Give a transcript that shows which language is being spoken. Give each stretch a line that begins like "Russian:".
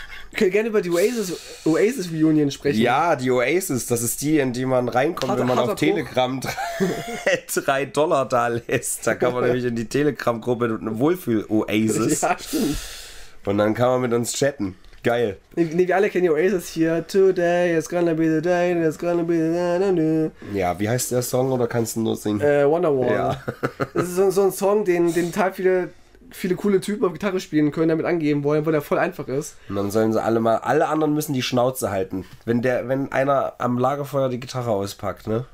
German: Ich könnte gerne über die Oasis Reunion sprechen. Ja, die Oasis, das ist die, in die man reinkommt, wenn man auf Telegram $3 da lässt. Da kann man nämlich in die Telegram-Gruppe Wohlfühl-Oasis. Ja, stimmt. Und dann kann man mit uns chatten. Geil. Nee, wir alle kennen die Oasis hier.
English: Today is gonna be the day, it's gonna be the day.
German: Ja, wie heißt der Song oder kannst du nur singen? Wonderwall. Ja. Das ist so ein Song, den total viele coole Typen auf Gitarre spielen können, damit angeben wollen, weil der voll einfach ist. Und dann sollen sie alle anderen müssen die Schnauze halten. Wenn einer am Lagerfeuer die Gitarre auspackt, ne?